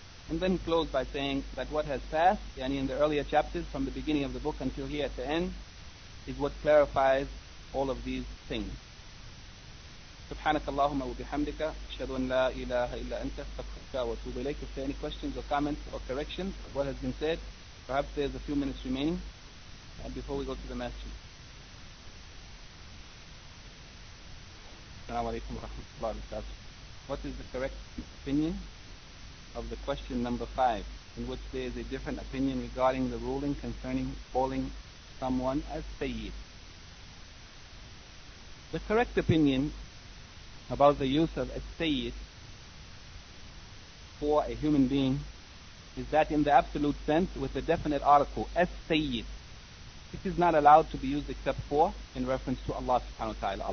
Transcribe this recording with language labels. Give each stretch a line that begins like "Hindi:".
English: And then close by saying that what has passed, yani in the earlier chapters, from the beginning of the book until here at the end, is what clarifies all of these things.
Arabic: سبحانك اللهم وبحمدك اشهد ان لا اله الا انت استغفرك واتوب اليك.
English: If there are any questions or comments or corrections of what has been said, perhaps there's a few minutes remaining before we go to the master.
Arabic: السلام عليكم ورحمة الله وبركاته.
English: What is the correct opinion of the question number 5, in which there is a different opinion regarding the ruling concerning calling someone as Sayyid? The correct opinion about the use of a sayyid for a human being is that in the absolute sense, with the definite article, a sayyid, it is not allowed to be used except for in reference to Allah subhanahu wa ta'ala.